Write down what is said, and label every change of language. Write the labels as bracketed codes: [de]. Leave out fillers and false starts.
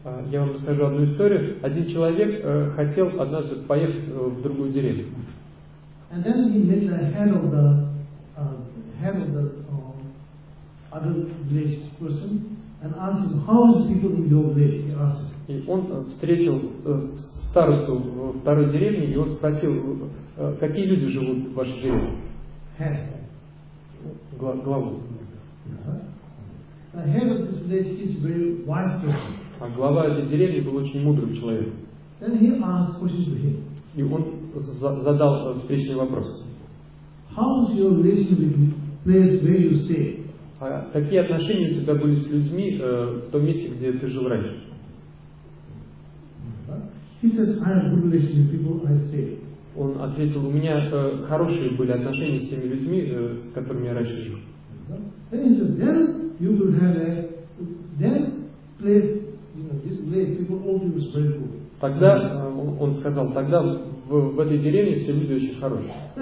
[ru] Я вам расскажу одну историю. Один человек хотел однажды поехать в другую деревню. [en] And then he met the head of the other village person and asked him, how is the people in your village? He asked him. [ru] И он встретил старосту второй деревни, и он спросил, какие люди живут в вашей деревне? Главу. [en] The head of this place is very wise person. [ru] А глава этой деревни был очень мудрым человеком. [en] Then he asked question to him. [ru] И он задал встречный вопрос. [en] How is your relationship with the place where you stay? [ru] А какие отношения у тебя были с людьми в том месте, где ты жил раньше? [en] He said, I have good relations with people I stay. [ru] Он ответил, у меня хорошие были отношения с теми людьми, с которыми я раньше жил. [en] Then he said, then you will have a then place, you know, this place, people all do is very good. [ru] Тогда он сказал, тогда в этой деревне все люди очень хорошие.